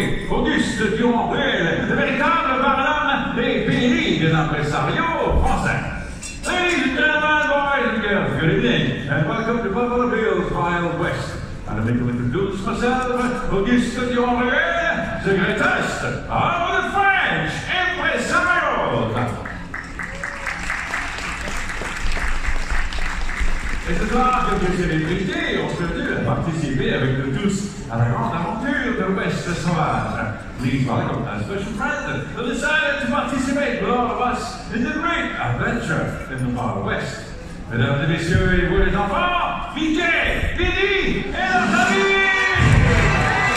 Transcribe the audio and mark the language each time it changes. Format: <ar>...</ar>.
<fr>Auguste Dion-Ruel, le véritable barlame des périls d'impresario français.</fr> <en>Ladies and gentlemen, boys and girls, good evening, and welcome to Buffalo Bills Wild West. I'd like to introduce myself, Auguste Dion-Ruel, the greatest of the French impresario.</en> <fr>Et ce soir, comme je suis invité, on se veut participer avec nous tous à la grande aventure de l'Ouest sauvage.</fr> <en>Please welcome a special friend who decided to participate with all of us in the great adventure in the far west.</en> <fr>Mesdames et messieurs, et vous les enfants, Mickey, Billy et leurs amis!</fr>